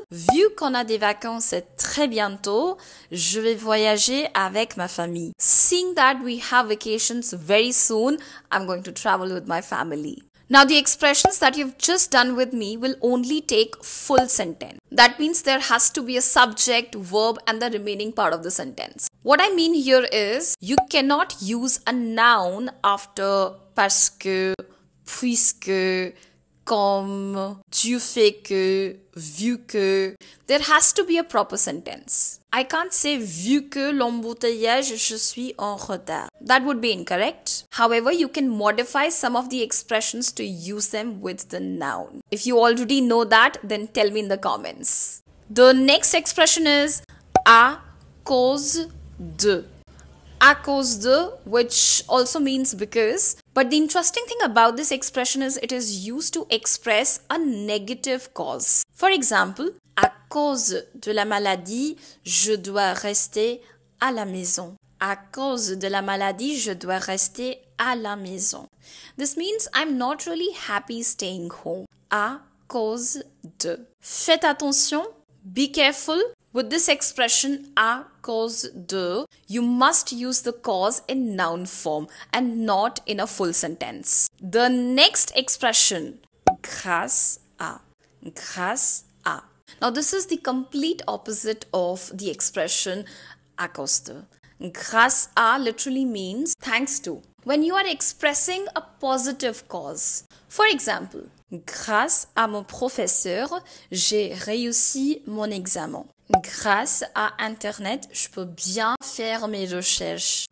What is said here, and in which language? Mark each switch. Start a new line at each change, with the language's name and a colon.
French: Vu qu'on a des vacances très bientôt, je vais voyager avec ma famille.
English: Seeing that we have vacations very soon, I'm going to travel with my family. Now the expressions that you've just done with me will only take full sentence. That means there has to be a subject, verb and the remaining part of the sentence. What I mean here is, you cannot use a noun after parce que, puisque, comme, tu fais que, vu que. There has to be a proper sentence. I can't say
French: vu que l'embouteillage, je suis en retard.
English: That would be incorrect. However, you can modify some of the expressions to use them with the noun. If you already know that, then tell me in the comments. The next expression is à cause de. À cause de, which also means because. But the interesting thing about this expression is it is used to express a negative cause. For example,
French: à cause de la maladie, je dois rester à la maison. À cause de la maladie, je dois rester à la maison.
English: This means I'm not really happy staying home.
French: À cause de. Faites attention.
English: Be careful. With this expression, à cause de, you must use the cause in noun form and not in a full sentence. The next expression,
French: grâce à, grâce à.
English: Now, this is the complete opposite of the expression à cause de. Grâce à literally means thanks to. When you are expressing a positive cause, for example,
French: grâce à mon professeur, j'ai réussi mon examen. Grâce à Internet, je peux bien faire mes recherches.